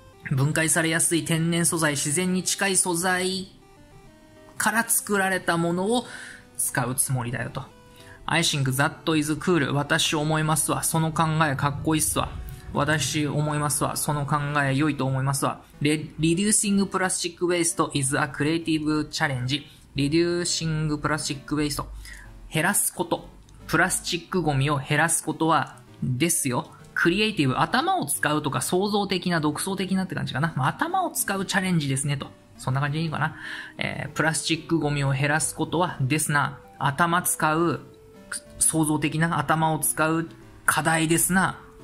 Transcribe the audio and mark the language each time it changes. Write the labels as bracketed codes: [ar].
[ja] 分解されやすい天然素材、自然に近い素材から作られたものを使うつもりだよと。 [en] I think that is cool、 [ja] 私思いますわ、その考えかっこいいっすわ、私思いますわ、その考え良いと思いますわ。 [en] Reducing plastic waste is a creative challenge。 [ja] リデューシングプラスチックウェイスト、減らすこと、プラスチックゴミを減らすことはですよ。クリエイティブ、頭を使うとか創造的な、独創的なって感じかな、まあ、頭を使うチャレンジですねと、そんな感じでいいかな、プラスチックゴミを減らすことはですな、頭使う、創造的な、頭を使う課題ですな。